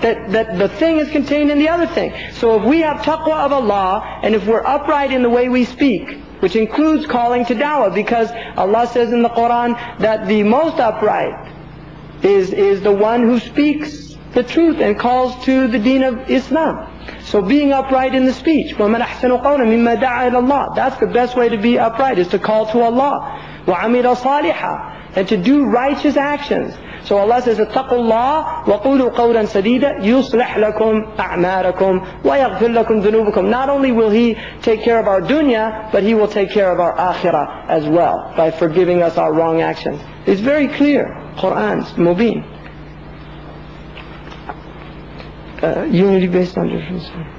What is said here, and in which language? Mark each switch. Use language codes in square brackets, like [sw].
[en] That the thing is contained in the other thing. So if we have taqwa of Allah, and if we're upright in the way we speak, which includes calling to da'wah, because Allah says in the Quran that the most upright is the one who speaks the truth and calls to the deen of Islam. So being upright in the speech, [ar] وَمَنْ أَحْسَنُ قَوْلًا مِمَّا دَعَى إِلَى اللَّهِ. [en] That's the best way to be upright, is to call to Allah. [ar] وَعَمِلَ صَالِحًا. [en] And to do righteous actions. So Allah says, [ar] اتَّقُوا اللَّهِ وَقُولُوا قَوْلًا سَدِيدًا يُصْلِحْ لَكُمْ أَعْمَارَكُمْ وَيَغْفِرْ لَكُمْ ذُنُوبُكُمْ. [en] Not only will He take care of our dunya, but He will take care of our akhirah as well, by forgiving us our wrong actions. It's very clear. Quran, Mubin. Unity based on difference.